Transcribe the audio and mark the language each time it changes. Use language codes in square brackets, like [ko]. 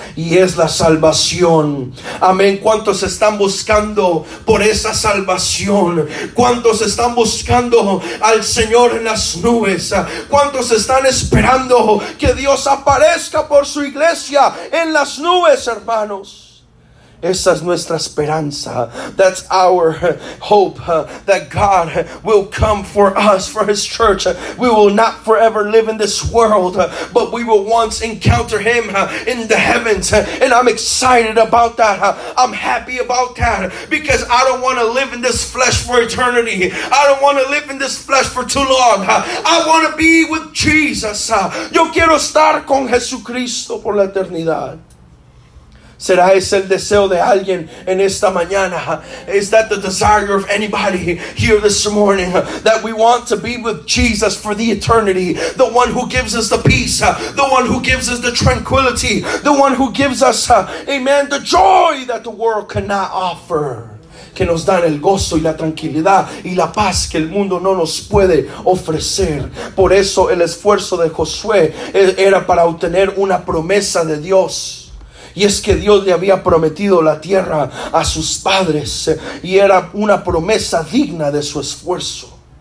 [es] y es la salvación. Amén. ¿Cuántos están buscando por esa salvación? ¿Cuántos están buscando al Señor en las nubes? ¿Cuántos están esperando que Dios aparezca por su iglesia en las nubes, hermanos? Esa es nuestra esperanza. [en] That's our hope, that God will come for us, for his church. We will not forever live in this world, but we will once encounter him in the heavens. And I'm excited about that. I'm happy about that, because I don't want to live in this flesh for eternity. I don't want to live in this flesh for too long. I want to be with Jesus. [es] Yo quiero estar con Jesucristo por la eternidad. ¿Será ese el deseo de alguien en esta mañana? [en] Is that the desire of anybody here this morning? That we want to be with Jesus for the eternity. The one who gives us the peace. The one who gives us the tranquility. The one who gives us, amen, the joy that the world cannot offer. [es] Que nos dan el gozo y la tranquilidad y la paz que el mundo no nos puede ofrecer. Por eso el esfuerzo de Josué era para obtener una promesa de Dios. Y es que Dios le había prometido la tierra a sus padres, y era una promesa digna de su esfuerzo.